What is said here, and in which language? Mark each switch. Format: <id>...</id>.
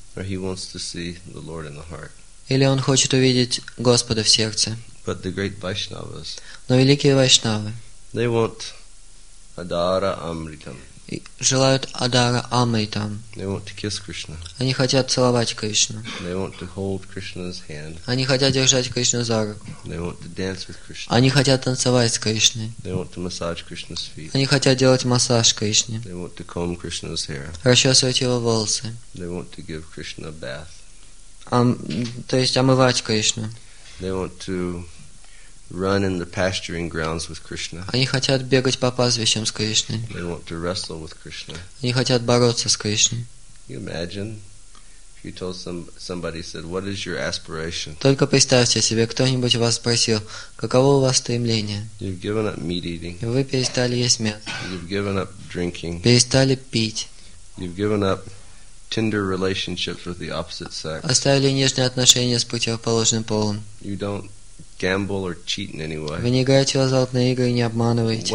<en>Or he wants to see the Lord in the heart.</en> <ru>Или он хочет увидеть Господа в сердце.</ru> <en>But the great Vaishnavas,</en> <ru>но великие вайшнавы,</ru> <en>they want Adara Amritam.</en> <ru>Желают Адара Амритам.</ru> <en>They want to kiss Krishna.</en> <ru>Они хотят целовать Кришну.</ru> <en>They want to hold Krishna's hand.</en> <ru>Они хотят держать Кришну за руку.</ru> <en>They want to dance with Krishna.</en> <ru>Они хотят танцевать с Кришной.</ru> <en>They want to massage Krishna's feet.</en> <ru>Они хотят делать массаж Кришне.</ru> <en>They want to comb Krishna's hair.</en> <ru>Расчесывать его волосы.</ru> <en>They want to give Krishna a bath.</en> <ru>То есть омывать Кришну.</ru> <en>They want to run in the pasturing grounds with Krishna.</en> <ru>Они хотят бегать по пастбищам с Кришной.</ru> <en>They want to wrestle with Krishna.</en> <ru>Они хотят бороться с Кришной.</ru> <en>Can you imagine if you told somebody said, "What is your aspiration?"</en> <ru>Только представьте себе, кто-нибудь вас спросил, каково у вас стремление?</ru> <en>You've given up meat eating.</en> <ru>Вы перестали есть мясо.</ru> <en>You've given up drinking.</en> <ru>Перестали пить.</ru> <en>You've given up tender relationships with the opposite sex.</en> <ru>Оставили нежные отношения с противоположным полом.</ru> <en>You don't gamble or cheat in any way.</en> <ru>Вы не играете в азартные игры и не обманываете.</ru>